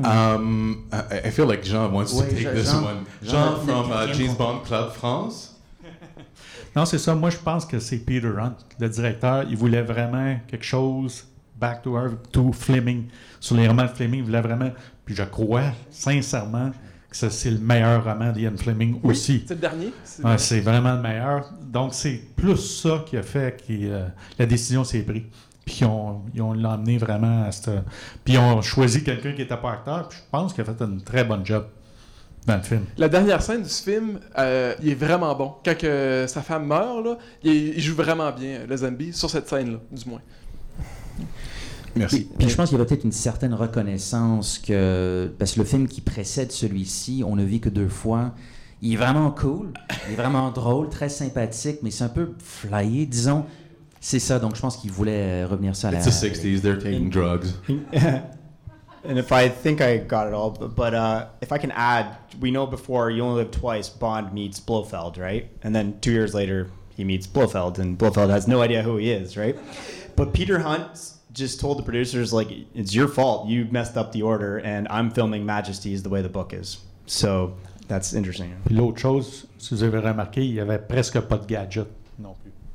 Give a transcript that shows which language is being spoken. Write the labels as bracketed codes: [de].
[en] I feel like Jean wants to take this one. Jean from James Bond Club France. [fr] Non, c'est ça. Moi, je pense que c'est Peter Hunt, le directeur. Il voulait vraiment quelque chose [en] back to Earth, to Fleming. [fr] Sur les romans de Fleming, il voulait vraiment. Puis je crois sincèrement que ça, c'est le meilleur roman d'Ian Fleming aussi. C'est le dernier? C'est vraiment le meilleur. Donc, c'est plus ça qui a fait que la décision s'est prise. Puis ils ont l'emmené vraiment à cette. Puis ils ont choisi quelqu'un qui n'était pas acteur. Puis je pense qu'il a fait un très bon job. Dans le film. La dernière scène du film, il est vraiment bon. Quand sa femme meurt, là, il joue vraiment bien, le zombie, sur cette scène-là, du moins. Merci. Puis je pense qu'il y a peut-être une certaine reconnaissance que, parce que le film qui précède celui-ci, On ne vit que deux fois, il est vraiment cool, il est vraiment drôle, très sympathique, mais c'est un peu flyé, disons. C'est ça, donc je pense qu'il voulait revenir ça à la... [en] It's the 60s, they're taking drugs. And if I think I got it all, but if I can add, we know before You Only Live Twice, Bond meets Blofeld, right? And then 2 years later, he meets Blofeld, and Blofeld has no idea who he is, right? But Peter Hunt just told the producers, like, it's your fault. You messed up the order, and I'm filming Majesties the way the book is. So that's interesting. [fr] Puis l'autre chose, si vous avez remarqué, il n'y avait presque pas de gadget non plus.